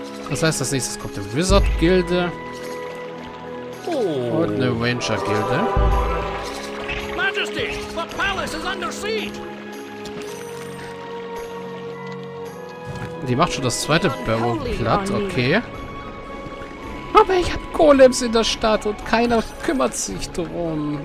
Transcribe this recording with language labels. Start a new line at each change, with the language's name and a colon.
German: Das heißt, als nächstes kommt eine Wizard-Gilde und eine Ranger-Gilde.
English: Majesty, the palace is under siege.
German: Die macht schon das zweite Barrow platt, okay. Aber ich habe Golems in der Stadt und keiner kümmert sich drum.